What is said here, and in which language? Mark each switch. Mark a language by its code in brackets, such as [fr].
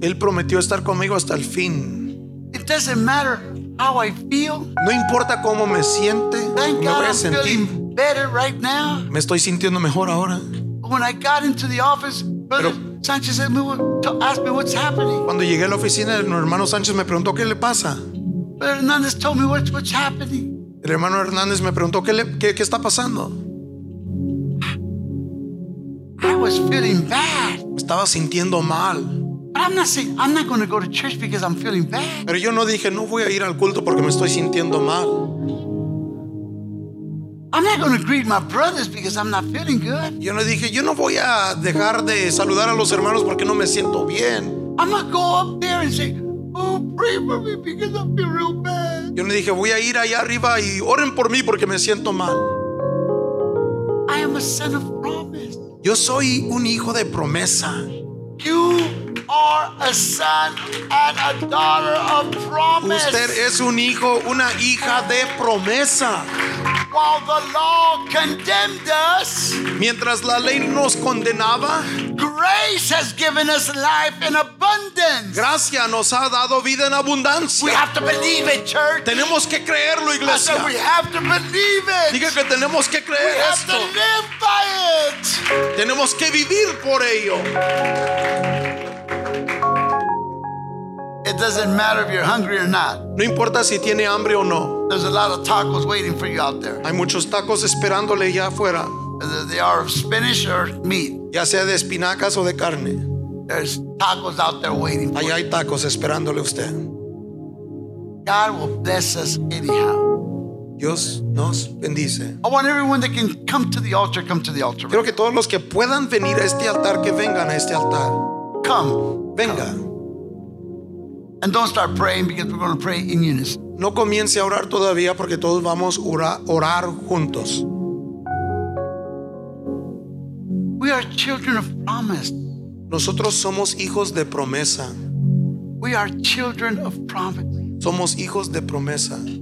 [es] Él prometió estar conmigo hasta el fin. [en] It doesn't matter how I feel. [es] No importa cómo me siente. [en] Thank God I'm feeling better right now. [es] Me estoy sintiendo mejor ahora. [en] When I got into the office, Sánchez asked me what's happening. [es] Cuando llegué a la oficina, el hermano Sánchez me preguntó qué le pasa. [en] Brother Hernandez told me what's happening. [es] El hermano Hernandez me preguntó qué está pasando. [en] I was feeling bad. [es] Me estaba sintiendo mal. [en] But I'm not going to go to church because I'm feeling bad. [es] Pero yo no dije no voy a ir al culto porque me estoy sintiendo mal. [en] I'm not going to greet my brothers because I'm not feeling good. [es] Yo no dije, yo no voy a dejar de saludar a los hermanos porque no me siento bien. [en] I'm going to go up there and say, oh, pray for me because I feel real bad. [es] Yo no dije, voy a ir allá arriba y oren por mí porque me siento mal. [en] I am a son of promise. [es] Yo soy un hijo de promesa. [en] You are a son and a daughter of promise. [es] Usted es un hijo, una hija de promesa. [en] While the law condemned us, [es] mientras la ley nos condenaba, [en] grace has given us life in abundance. [es] Gracia nos ha dado vida en abundancia. [en] We have to believe it, church. [es] Tenemos que creerlo, iglesia. [en] I said, we have to believe it. [es] Diga que tenemos que creer [en] we [es] esto. [en] Have to live by it. [es] Tenemos que vivir por ello. [en] It doesn't matter if you're hungry or not. [es] No importa si tiene hambre o no. [en] There's a lot of tacos waiting for you out there. [es] Hay muchos tacos esperándole allá afuera. [en] Whether they are of spinach or meat. [es] Ya sea de espinacas o de carne. [en] There's tacos out there waiting for [es] allá [en] you. [es] Hay tacos esperándole usted. [en] God will bless us anyhow. [es] Dios nos bendice. [en] I want everyone that can come to the altar, come to the altar. [es] Quiero que todos los que puedan venir a este altar, que vengan a este altar. [en] Come. [es] Venga. [en] Come. And don't start praying because we're going to pray in unison. [es] No comience a orar todavía porque todos vamos a orar juntos. [en] We are children of promise. [es] Nosotros somos hijos de promesa. [en] We are children of promise. [es] Somos hijos de promesa.